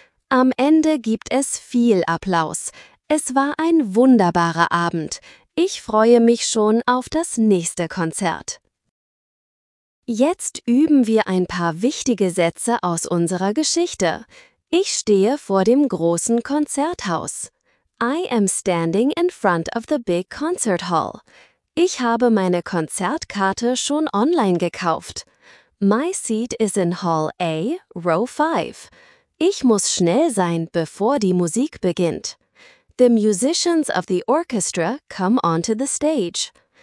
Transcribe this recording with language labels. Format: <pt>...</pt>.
<de>Am Ende gibt es viel Applaus. Es war ein wunderbarer Abend. Ich freue mich schon auf das nächste Konzert. Jetzt üben wir ein paar wichtige Sätze aus unserer Geschichte. Ich stehe vor dem großen Konzerthaus.</de> <en>I am standing in front of the big concert hall.</en> <de>Ich habe meine Konzertkarte schon online gekauft.</de> <en>My seat is in Hall A, Row 5.</en> <de>Ich muss schnell sein, bevor die Musik beginnt.</de> <en>The musicians of the orchestra come onto the stage.</en>